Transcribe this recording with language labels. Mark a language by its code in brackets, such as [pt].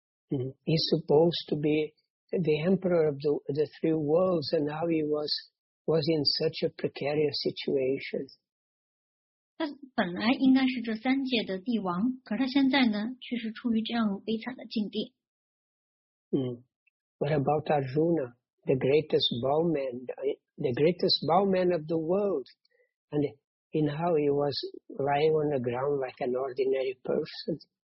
[en] He's supposed to be the emperor of the three worlds, and now he was in such a precarious situation. [zh] 他本来应该是这三界的帝王,可是他现在呢,却是处于这样悲惨的境地。 [en] What about Arjuna, the greatest bowman of the world, and in how he was lying on the ground like an ordinary person.